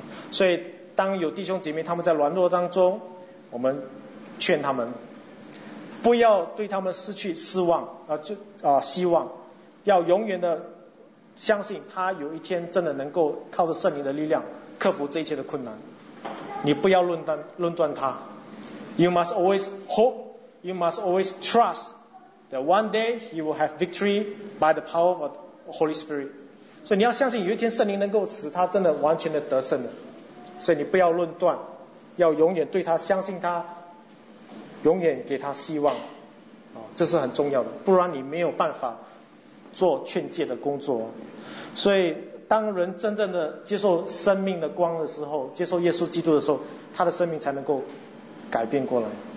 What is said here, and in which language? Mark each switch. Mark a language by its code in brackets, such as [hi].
[zh] 所以当有弟兄姐妹他们在软弱当中，我们劝他们不要对他们失去失望希望，要永远的相信他有一天真的能够靠着圣灵的力量克服这一切的困难。你不要论断他。 [en] You must always hope, you must always trust that one day he will have victory by the power of the Holy Spirit. [zh] 所以你要相信有一天圣灵能够使他真的完全的得胜了。所以你不要论断，要永远对他相信他，永远给他希望，这是很重要的，不然你没有办法做劝诫的工作。所以当人真正的接受生命的光的时候，接受耶稣基督的时候，他的生命才能够改变过来。